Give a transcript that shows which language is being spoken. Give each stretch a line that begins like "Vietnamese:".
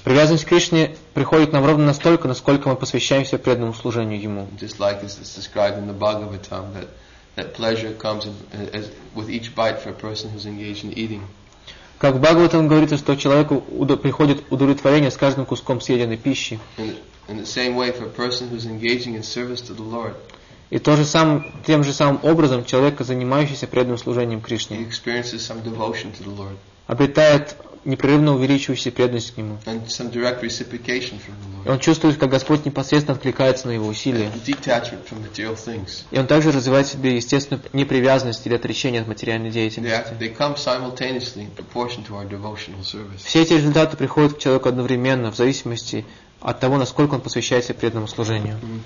Russian: Привязанность к Кришне приходит нам ровно настолько, насколько мы посвящаемся преданному служению Ему.
English: Just like it's described in the Bhagavatam that pleasure comes as with each bite for a person who's engaged in eating.
Russian: Как в Бхагаватам говорится, что человеку приходит удовлетворение с каждым куском съеденной пищи.
English: In the same way for a person who's engaging in service to the Lord.
Russian: И то же самое, тем же самым образом человек, занимающийся преданным служением Кришне,
English: he experiences some devotion to the Lord.
Russian: Обретает непрерывно увеличивающуюся преданность к Нему.
English: And some direct reciprocation from the Lord.
Russian: И он чувствует, как Господь непосредственно откликается на его усилия.
English: And detachment from material things.
Russian: И он также развивает в себе естественную непривязанность или отречение от материальной деятельности.
English: They come simultaneously in proportion to our devotional service.
Russian: Все эти результаты приходят к человеку одновременно, в зависимости от того, насколько он посвящает себя преданному служению.